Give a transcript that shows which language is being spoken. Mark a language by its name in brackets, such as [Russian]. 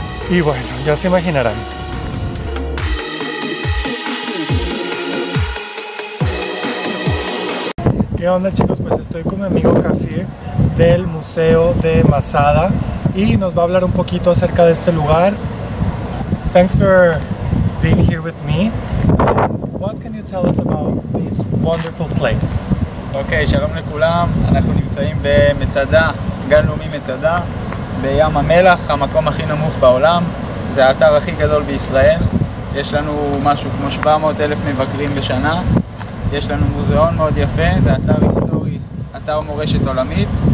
[Spanish] Y bueno, ya se imaginarán. ¿Qué onda, chicos? Pues estoy con mi amigo Kafir del Museo de Masada y nos va a hablar un poquito acerca de este lugar. [English] Thanks for being here with me. What can you tell us about this wonderful place? [Hebrew] Okay, שלום לכולם. אנחנו נמצאים במצדה, גן לאומי מצדה, בים המלח, המקום הכי נמוך בעולם. זה האתר הכי גדול בישראל. יש לנו משהו כמו 700,000 מבקרים בשנה. יש לנו מוזיאון מאוד יפה, זה אתר היסטורי, אתר מורשת עולמית.